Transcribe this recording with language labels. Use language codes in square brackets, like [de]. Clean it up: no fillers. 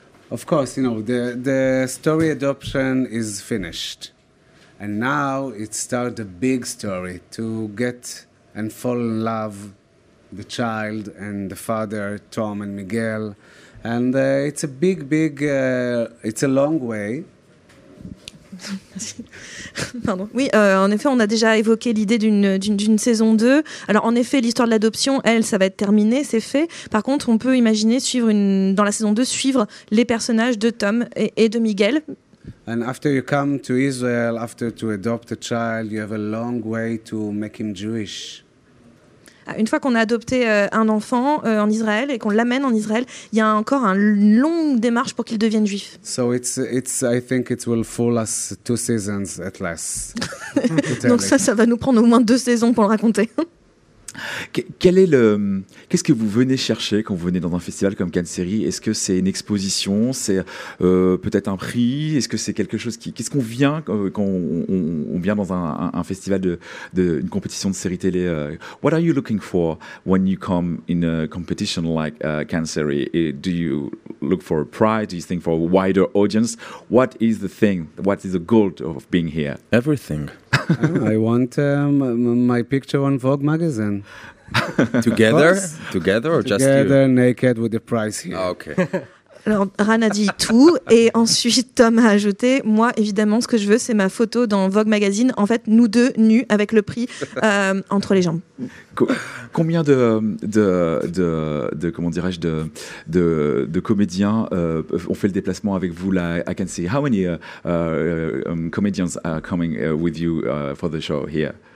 [en] Of course, you know, the story adoption is finished. And now it starts a big story to get and fall in love the child and the father, Tom and Miguel. And it's a big, big, it's a long way. Pardon. [fr] Oui, en effet, on a déjà évoqué l'idée d'une saison 2. Alors, en effet, l'histoire de l'adoption, elle, ça va être terminée, c'est fait. Par contre, on peut imaginer suivre dans la saison 2, suivre les personnages de Tom et de Miguel. [en] And after you come to Israel, after to adopt a child, you have a long way to make him Jewish. [fr] Une fois qu'on a adopté un enfant en Israël et qu'on l'amène en Israël, il y a encore une longue démarche pour qu'il devienne juif. [en] So it's I think it will fall us two seasons at least. [fr] Donc ça va nous prendre au moins deux saisons pour le raconter. Qu'est-ce que vous venez chercher quand vous venez dans un festival comme Cannes Série? Est-ce que c'est une exposition? C'est peut-être un prix? Est-ce que c'est quelque chose qui... Qu'est-ce qu'on vient quand on vient dans un festival une compétition de série télé? [en] What are you looking for when you come in a competition like Cannes Série? Do you look for a prize? Do you think for a wider audience? What is the thing? What is the goal of being here? Everything. I want my picture on Vogue magazine. Together? Together or just you? Together, naked, with the price here. Ah, okay. [fr] Alors, Ran a dit tout, et ensuite Tom a ajouté, moi, évidemment, ce que je veux, c'est ma photo dans Vogue magazine, en fait, nous deux, nus, avec le prix entre les jambes. Combien de comédiens ont fait le déplacement avec vous là à Cannes City? [en] How many comedians are coming with you for the show here?